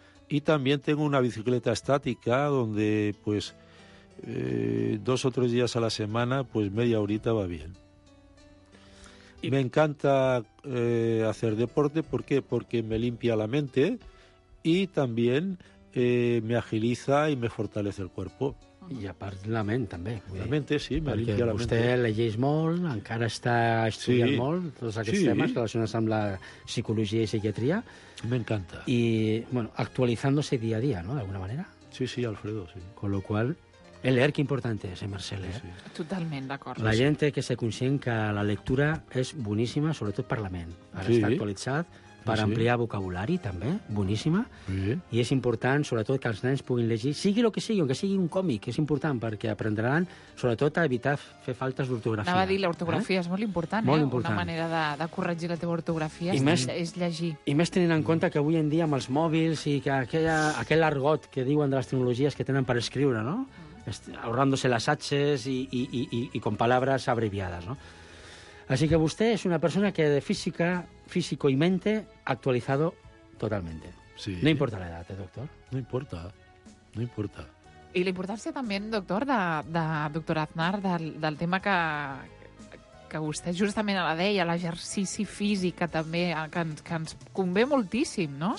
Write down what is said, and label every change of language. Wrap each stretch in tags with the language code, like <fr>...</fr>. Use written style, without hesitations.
<es>Y también tengo una bicicleta estática donde, pues, 2 o 3 días a la semana, pues media horita va bien. Y me encanta hacer deporte, ¿por qué? Porque me limpia la mente y también me agiliza y me fortalece el cuerpo.</es> <ca>I a part la ment, també.</ca> <es>La mente, sí, me</es> <ca>perquè</ca> <es>limpia la</es> <ca>vostè</ca> <es>mente.</es> <ca>Llegeix molt, encara està estudiant molt tots aquests temes relacionats amb la psicologia i psiquiatria. M'encanta. I, bueno, actualitzant-se dia a dia, no?, d'alguna manera. Sí, sí, Alfredo, sí.</ca> <es>Con lo cual, el leer, que important és, eh, Marcel, eh? Sí, sí.</es> <ca>Totalment d'acord. La gent que se conscient que la lectura és boníssima, sobretot per la ment. Ara està actualitzat. Per ampliar vocabulari, també, boníssima. Sí. I és important, sobretot, que els nens puguin llegir, sigui el que sigui, que sigui un còmic, és important, perquè aprendran, sobretot, a evitar fer faltes d'ortografia. Anava a dir, l'ortografia és molt important, molt Una manera de corregir la teva ortografia és llegir. I més tenint en compte que avui en dia, amb els mòbils i que aquell argot que diuen de les tecnologies que tenen per escriure, no?</ca> <es>Ahorrándose las H's i con palabras abreviadas, no? Así que vostè és una persona que de física, físico y mente, actualizado totalmente. Sí. No importa la edad, doctor. No importa, no importa.</es> <ca>I la importància també, doctor, de doctor Aznar, del tema que vostè justament la deia, l'exercici físic també, que ens convé moltíssim, no?</ca>